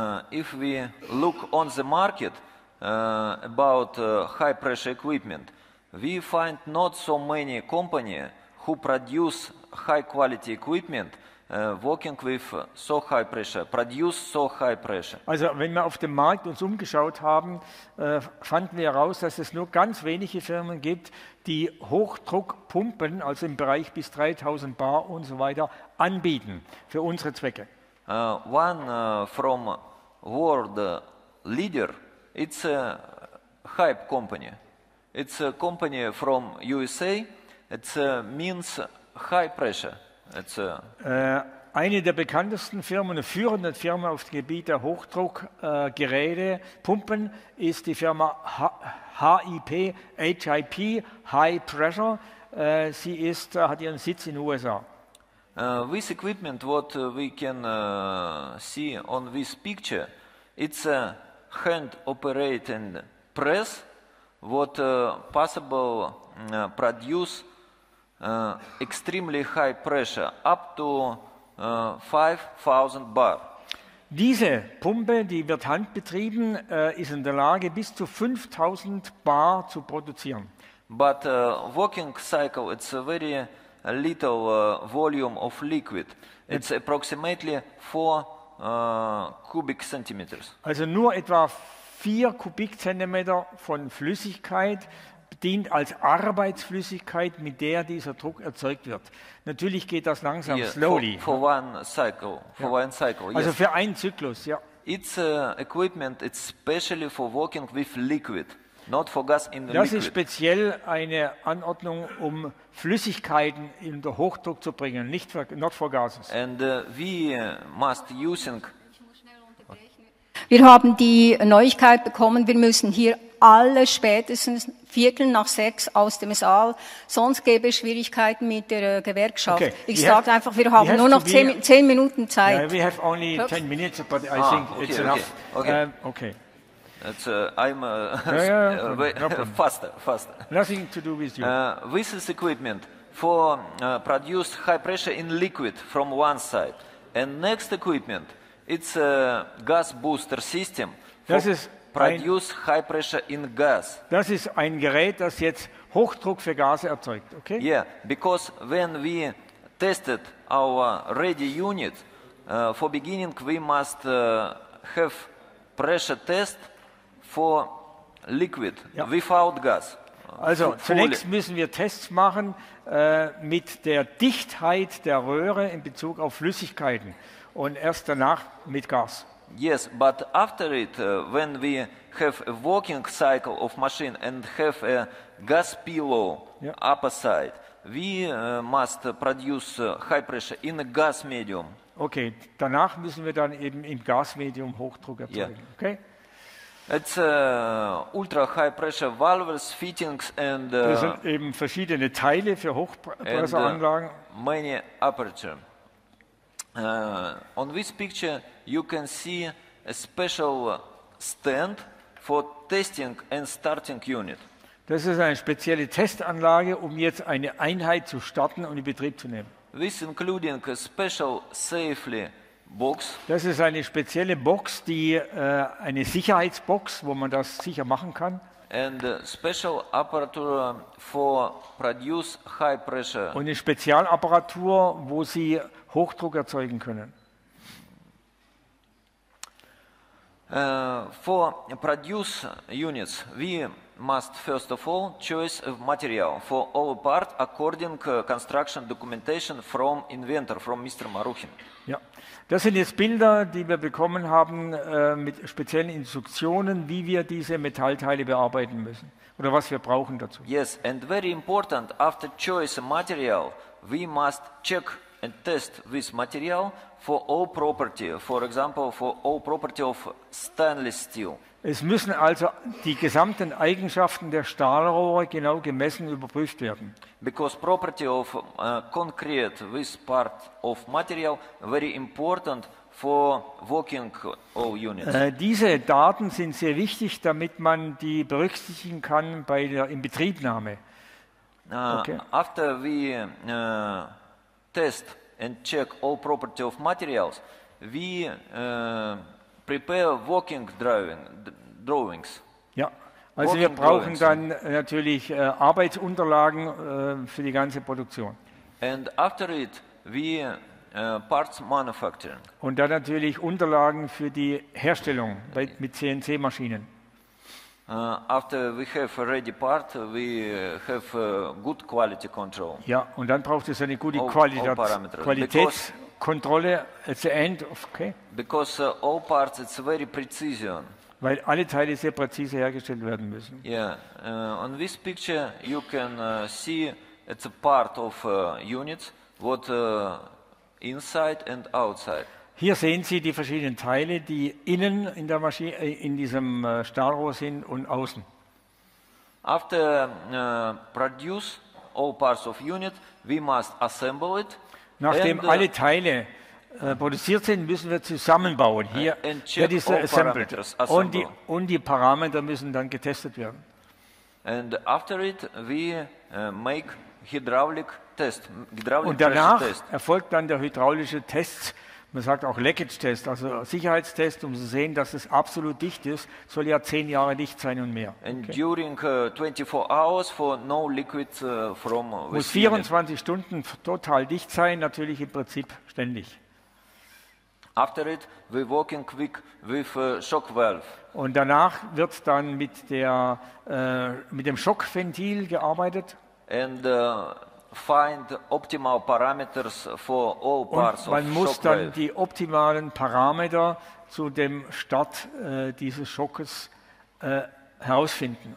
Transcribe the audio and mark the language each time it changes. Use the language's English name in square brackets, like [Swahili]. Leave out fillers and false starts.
[English] If we look on the market, about high pressure equipment, we find not so many companies who produce high quality equipment working with so high pressure, produce so high pressure. [German] Also wenn wir auf dem Markt uns umgeschaut haben, fanden wir heraus, dass es nur ganz wenige Firmen gibt, die Hochdruckpumpen, also im Bereich bis 3000 bar und so weiter, anbieten für unsere Zwecke. [English] From world leader. It's a hype company. It's a company from USA. It means high pressure. It's [German] eine der bekanntesten Firmen, eine führende Firma auf dem Gebiet der Hochdruckgeräte, Pumpen, ist die Firma HIP, High Pressure. Sie ist, hat ihren Sitz in den USA. [English] This equipment, what we can see on this picture, it's a hand-operated press, what possible produce extremely high pressure, up to 5,000 bar. [German] Diese Pumpe, die wird handbetrieben, ist in der Lage, bis zu 5,000 bar zu produzieren. [English] But working cycle, it's a very little volume of liquid. It's approximately 4 cubic centimeters. [German] Also nur etwa 4 Kubikzentimeter von Flüssigkeit dient als Arbeitsflüssigkeit, mit der dieser Druck erzeugt wird. Natürlich geht das langsam, [English] yes, slowly. For one cycle. [German] Also [English] yes. [German] Für einen Zyklus, ja. [English] It's equipment, it's specially for working with liquid, not for gas in the [German] das [English] liquid. [German] Ist speziell eine Anordnung, um Flüssigkeiten in den Hochdruck zu bringen, nicht für, [English] not for gases. And we must using. [German] Wir haben die Neuigkeit bekommen, wir müssen hier alle spätestens 17:45 aus dem Saal, sonst gäbe es Schwierigkeiten mit der Gewerkschaft. Okay. Ich sage einfach, wir haben nur noch 10 Minuten Zeit. [English] We have only 10 minutes, but I think it's enough. Okay. It's, I'm faster. Nothing to do with you. This is equipment for produce high pressure in liquid from one side. And next equipment, it's a gas booster system for produce high pressure in gas. [German] Das ist ein Gerät, das jetzt Hochdruck für Gase erzeugt, okay? [English] Yeah, because when we tested our ready unit, for beginning we must have pressure test for liquid without gas. [German] Also zunächst müssen wir Tests machen mit der Dichtheit der Röhre in Bezug auf Flüssigkeiten und erst danach mit Gas. [English] Yes, but after it, when we have a working cycle of machine and have a gas pillow upper side, we must produce high pressure in a gas medium. [German] Okay, danach müssen wir dann eben im Gasmedium Hochdruck erzeugen. [English] Yeah. Okay. It's ultra high pressure valves, fittings and [German] das sind eben verschiedene Teile für Hochpresseanlagen. [English] Many aperture. On this picture you can see a special stand for testing and starting unit. [German] Das ist eine spezielle Testanlage, um jetzt eine Einheit zu starten und in Betrieb zu nehmen. [English] This including a special safely box. [German] Das ist eine spezielle Box, die eine Sicherheitsbox, wo man das sicher machen kann. [English] And special apparatur for produce high pressure. [German] Und eine Spezialapparatur, wo sie Hochdruck erzeugen können. [English] For produce units, we must first of all choose a material for all part according construction documentation from inventor, from Mr. Maruchin. [German] Ja, das sind jetzt Bilder, die wir bekommen haben mit speziellen Instruktionen, wie wir diese Metallteile bearbeiten müssen oder was wir brauchen dazu. [English] Yes, and very important, after choice material, we must check and test this material for all property, for example, for all property of stainless steel. [German] Es müssen also die gesamten Eigenschaften der Stahlrohre genau gemessen überprüft werden. [English] Because property of concrete, this part of material, very important for working all units. [German] Diese Daten sind sehr wichtig, damit man die berücksichtigen kann bei der Inbetriebnahme. [English] Okay. After we test and check all property of materials, we prepare working drawings. [German] Ja, also [English] working [German] wir brauchen [English] drawings. [German] Dann natürlich Arbeitsunterlagen für die ganze Produktion. [English] And after it, we parts manufacturing. [German] Und dann natürlich Unterlagen für die Herstellung mit CNC-Maschinen. [English] After we have a ready part, we have good quality control. [German] Ja, und dann braucht es eine gute Qualitätskontrolle [English] at the end, okay? Because all parts, it's very precision. [German] Weil alle Teile sehr präzise hergestellt werden müssen. [English] Yeah, on this picture you can see it's a part of units, what inside and outside. [German] Hier sehen Sie die verschiedenen Teile, die innen in der Maschine, in diesem Stahlrohr sind und außen. [English] After produce all parts of unit, we must assemble it. [German] Nachdem [English] and, [German] alle Teile produziert sind, müssen wir zusammenbauen. Hier wird es [English] assembled. [German] Und die Parameter müssen dann getestet werden. [English] And after it, we make hydraulic test. [German] Und danach erfolgt dann der hydraulische Test. Man sagt auch Leckage-Test, also Sicherheitstest, um zu sehen, dass es absolut dicht ist, soll ja 10 Jahre dicht sein und mehr. [English] Okay. And during 24 hours for no liquid from [German] muss 24 Stunden total dicht sein, natürlich im Prinzip ständig. [English] After it, we working quick with shock valve. [German] Und danach wird dann mit dem Schockventil gearbeitet. [English] And find optimal parameters for all parts of shockwave. [German] Man muss dann die optimalen Parameter zu dem Start dieses Schockes herausfinden.